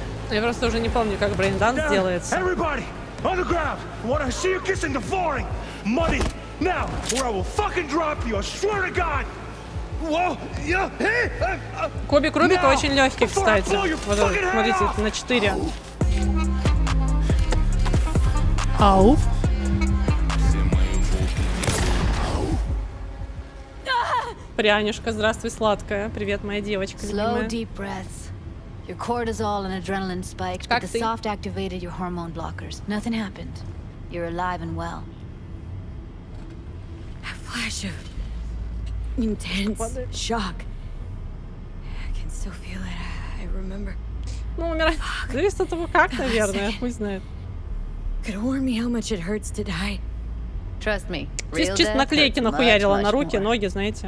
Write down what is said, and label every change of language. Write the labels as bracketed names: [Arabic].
[Russian] Я просто уже не помню, как брейндант делается. [English] Everybody! Underground! What I see you kissing the flooring! Money! Now! Or I will fucking drop you, I swear to God! Whoa! Yeah! Hey! [Russian] Кубик-рубик очень легкий, кстати. Смотрите, на 4. Ау! Прянюшка, здравствуй, сладкая. Привет, моя девочка, любимая. [English] Your cortisol and adrenaline spiked, but the soft activated your hormone blockers. Nothing happened. You're alive and well. A flash of intense shock. I can still feel it. I remember. [Russian] Ну, умирать. Зависит от того, как, наверное. Хуй знает. [English] Could warn me how much it hurts to die. Trust me. [Russian] Чисто наклейки нахуярила на руки, ноги, знаете.